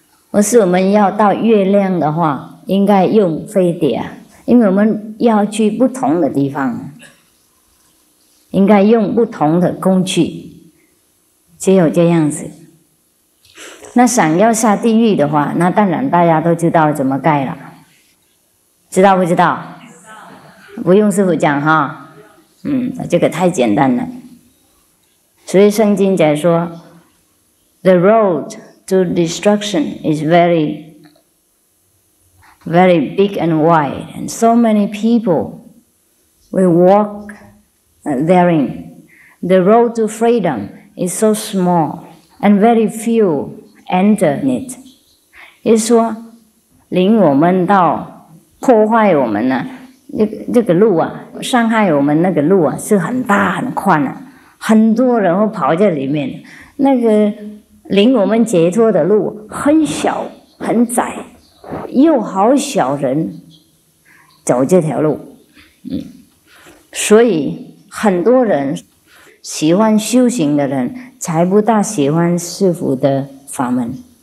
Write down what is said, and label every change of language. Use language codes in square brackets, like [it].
[zh] 或是我们要到月亮的话，应该用飞碟，因为我们要去不同的地方，应该用不同的工具，只有这样子。那想要下地狱的话，那当然大家都知道怎么盖了，知道不知道？不用师父讲哈，这个太简单了。所以圣经在说 [en] The road to destruction is very very big and wide, and so many people will walk therein. The road to freedom is so small and very few enter it. [zh] 也是说领我们到破坏我们呢，这个路啊，伤害我们那个路啊，是很大很宽的，很多人会跑在里面。那个领我们解脱的路很小很窄，又好小人走这条路，所以很多人喜欢修行的人才不大喜欢师父的法门，